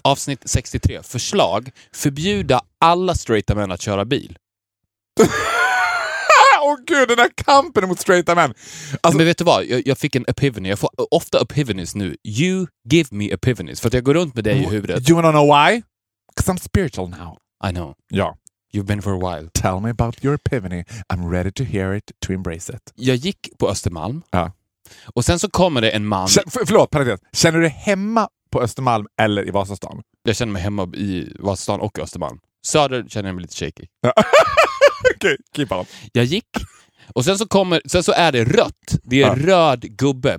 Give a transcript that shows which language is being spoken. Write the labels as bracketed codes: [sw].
[sv] Avsnitt 63. Förslag. Förbjuda alla straighta män att köra bil. Åh gud, den här kampen mot straighta män. Alltså... Men vet du vad? Jag fick en epiphany. Jag får ofta epiphanies nu. [en] You give me epiphanies. [sv] För att jag går runt med dig i huvudet. [en] You wanna know why? Because I'm spiritual now. I know. [sv] Ja. [en] You've been for a while. Tell me about your epiphany. I'm ready to hear it, to embrace it. [sv] Jag gick på Östermalm. Ja. Och sen så kommer det en man... Förlåt, känner du hemma på Östermalm eller i Vasastan? Jag känner mig hemma i Vasastan och Östermalm. Söder känner jag mig lite shaky. Ja. Okej, okay, [en] keep on. [sv] Jag gick. Och sen så är det rött. Det är röd gubbe.